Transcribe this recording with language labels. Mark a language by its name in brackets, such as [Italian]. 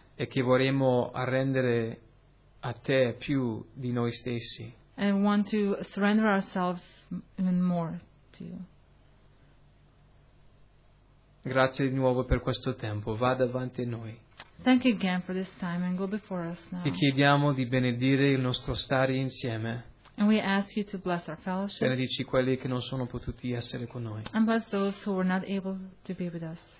[Italian] E che vorremmo arrendere a te più di noi stessi. [English] And we want to surrender ourselves even more to you. [Italian] Grazie di nuovo per questo tempo. Va davanti a noi. [English] Thank you again for this time and go before us now. [Italian] Ti chiediamo di benedire il nostro stare insieme. [English] And we ask you to bless our fellowship. [Italian] Benedici quelli che non sono potuti essere con noi. [English] And bless those who were not able to be with us.